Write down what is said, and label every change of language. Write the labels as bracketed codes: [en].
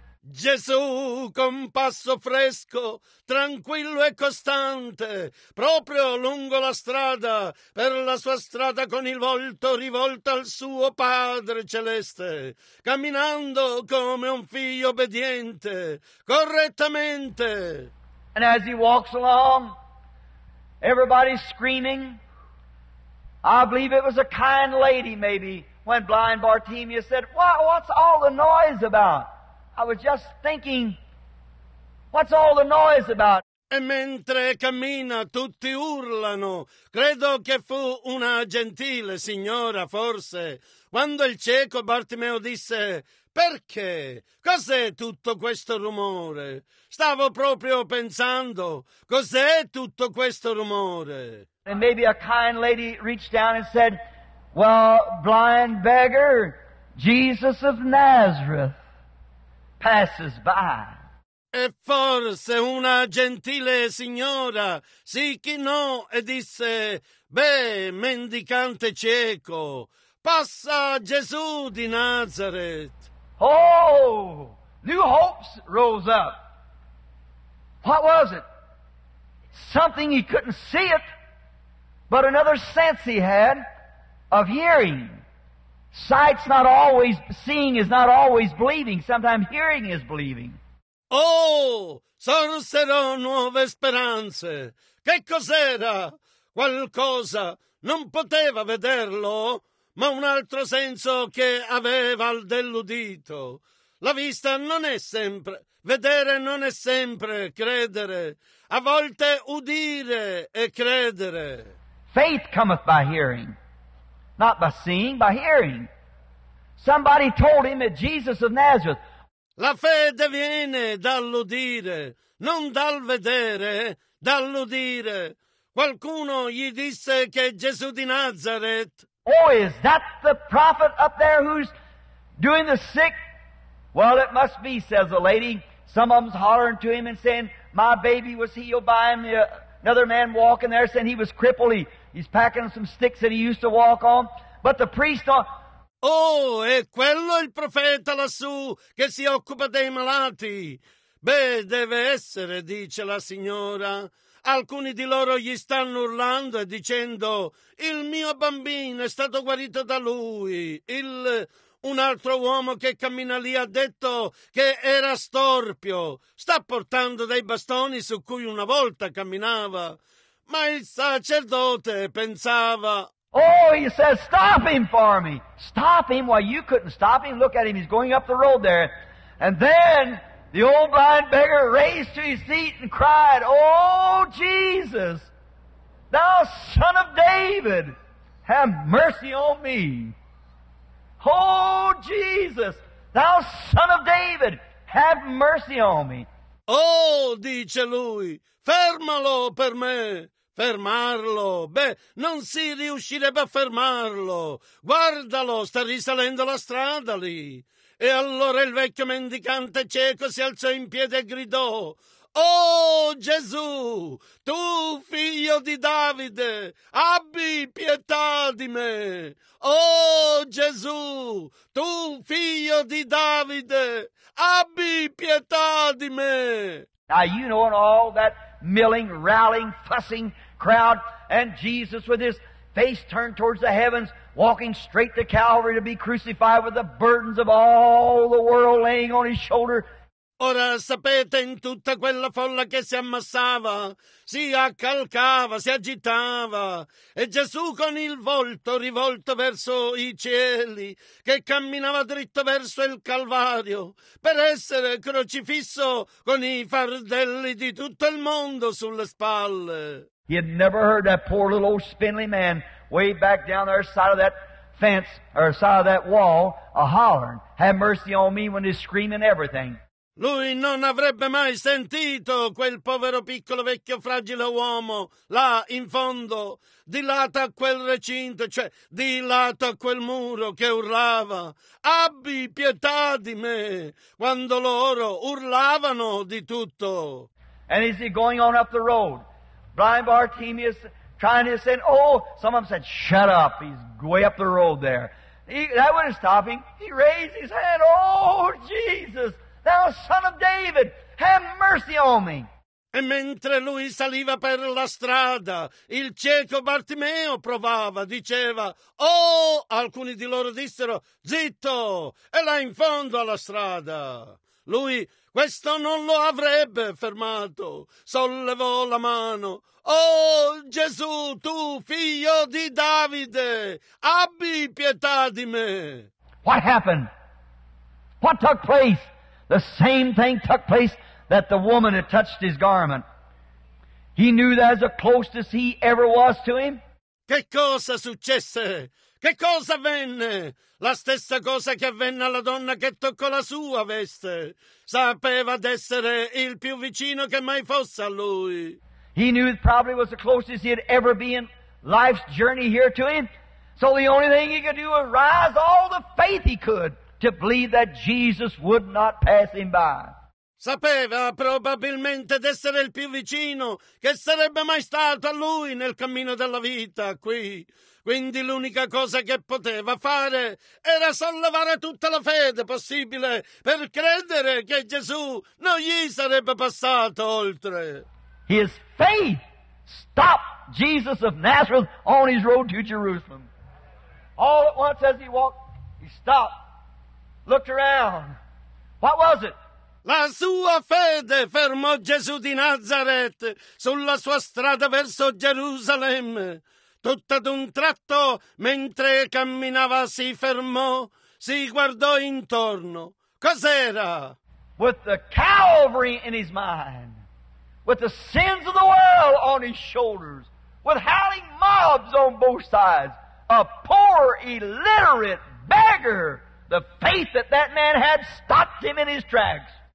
[it] Gesù con passo fresco, tranquillo e costante, proprio lungo la strada, per la sua strada con il volto rivolto al suo Padre Celeste, camminando come un figlio obbediente, correttamente. [en] And as he walks along, everybody's screaming. I believe it was a kind lady, maybe, when blind Bartimaeus said, what's all the noise about? I was just thinking, what's all the noise about? [it] E mentre cammina tutti urlano. Credo che fu una gentile signora, forse. Quando il cieco Bartimeo disse, perché? Cos'è tutto questo rumore? Stavo proprio pensando, cos'è tutto questo rumore? [en] And maybe a kind lady reached down and said, well, blind beggar, Jesus of Nazareth passes by. [it] E forse una gentile signora si chinò e disse, beh, mendicante cieco, passa Gesù di Nazareth. [en] Oh, new hopes rose up. What was it? Something he couldn't see it, but another sense he had of hearing. Sight's not always, seeing is not always believing. Sometimes hearing is believing. [it] Oh, sorsero nuove speranze. Che cos'era? Qualcosa. Non poteva vederlo, ma un altro senso che aveva al dell'udito. La vista non è sempre, vedere non è sempre credere. A volte udire e credere. [en] Faith cometh by hearing. Not by seeing, by hearing. Somebody told him that Jesus of Nazareth. [it] La fede viene dall'udire, non dal vedere, dall'udire. Qualcuno gli disse che Gesù di Nazareth. [en] Oh, is that the prophet up there who's doing the sick Well, it must be, says the lady. Some of them's hollering to him and saying, my baby was healed by him. Another man walking there saying he was crippled. He's packing some sticks that he used to walk on. But the priest thought, [it] oh, è quello il profeta lassù che si occupa dei malati. Beh, deve essere, dice la signora. Alcuni di loro gli stanno urlando e dicendo, il mio bambino è stato guarito da lui. Un altro uomo che cammina lì ha detto che era storpio. Sta portando dei bastoni su cui una volta camminava. Ma il sacerdote pensava, [en] oh, he says, stop him for me. Stop him. Well, you couldn't stop him. Look at him. He's going up the road there. And then the old blind beggar raised to his feet and cried, oh, Jesus, thou son of David, have mercy on me. Oh, Jesus, thou son of David, have mercy on me. [it] Oh, dice lui, fermalo per me. Fermarlo? Beh, non si riuscirebbe a fermarlo. Guardalo, sta risalendo la strada lì. E allora il vecchio mendicante cieco si alzò in piedi e gridò, oh Gesù, tu figlio di Davide, abbi pietà di me. Oh Gesù, tu figlio di Davide, abbi pietà di me. [en] Now you know all that milling, rallying, fussing crowd, and Jesus with his face turned towards the heavens, walking straight to Calvary to be crucified with the burdens of all the world laying on his shoulder. [it] Ora sapete, in tutta quella folla che si ammassava, si accalcava, si agitava, e Gesù con il volto rivolto verso i cieli, che camminava dritto verso il Calvario, per essere crocifisso con i fardelli di tutto il mondo sulle spalle. [en] He had never heard that poor little old spindly man way back down the other side of that fence, or side of that wall, a hollering, have mercy on me, when he's screaming everything. [it] Lui non avrebbe mai sentito quel povero piccolo vecchio fragile uomo là in fondo, di lato a quel recinto, cioè di lato a quel muro che urlava, abbi pietà di me, quando loro urlavano di tutto. [en] And is he going on up the road? Blind Bartimaeus trying to say, oh, some of them said, shut up, he's way up the road there. That wouldn't stop him. He raised his hand, oh, Jesus, thou son of David, have mercy on me. [it] E mentre lui saliva per la strada, il cieco Bartimeo provava, diceva, oh, alcuni di loro dissero, zitto, è là in fondo alla strada. Lui, questo non lo avrebbe fermato. Sollevò la mano. Oh, Gesù, tu figlio di Davide, abbi pietà di me. [en] What happened? What took place? The same thing took place that the woman had touched his garment. He knew that as close as he ever was to him. [it] Che cosa successe? Che cosa avvenne? La stessa cosa che avvenne alla donna che toccò la sua veste. Sapeva d'essere il più vicino che mai fosse a lui. [en] He knew it probably was the closest he had ever been life's journey here to him. So the only thing he could do was rise all the faith he could to believe that Jesus would not pass him by. [it] Sapeva probabilmente d'essere il più vicino che sarebbe mai stato a lui nel cammino della vita qui. Quindi l'unica cosa che poteva fare era sollevare tutta la fede possibile per credere che Gesù non gli sarebbe passato oltre. [en] His faith stopped Jesus of Nazareth on his road to Jerusalem. All at once as he walked, he stopped, looked around. What was it? [it] La sua fede fermò Gesù di Nazareth sulla sua strada verso Gerusalemme. Tutto ad un tratto, mentre camminava, si fermò, si guardò intorno. Cos'era? [en] With the Calvary in his mind, with the sins of the world on his shoulders, with howling mobs on both sides, a poor, illiterate beggar, the faith that man had stopped him in his tracks.